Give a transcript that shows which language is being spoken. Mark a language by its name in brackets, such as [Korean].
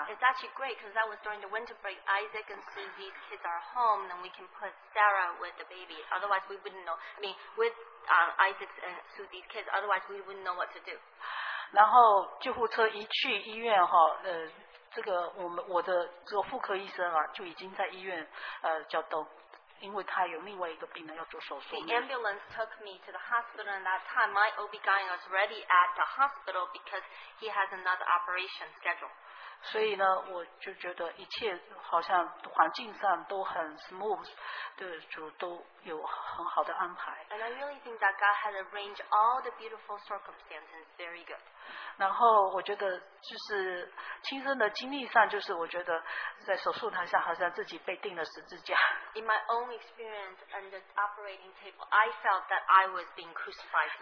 [English] It's actually great because that was during the winter break. Isaac and Susie's kids are home, then we can put Sarah with the baby. Otherwise, we wouldn't know. I mean, with Isaac and Susie's kids, otherwise we wouldn't know what to do. [Chinese] 然后救护车一去医院哈，这个我的这个妇科医生啊，就已经在医院叫因为他有另外一个病人要做手术。 [English] The ambulance took me to the hospital, and that time my OB-GYN was ready at the hospital because he has another operation schedule. [Chinese] 所以呢，我就觉得一切好像环境上都很 smooth， 对，就都有很好的安排。 [English] And I really think that God had arranged all the beautiful circumstances very good. [Chinese] 然后我觉得就是亲身的经历上，就是我觉得在手术台上好像自己被钉了十字架。 [English] In my own experience under the operating table, I felt that I was being crucified.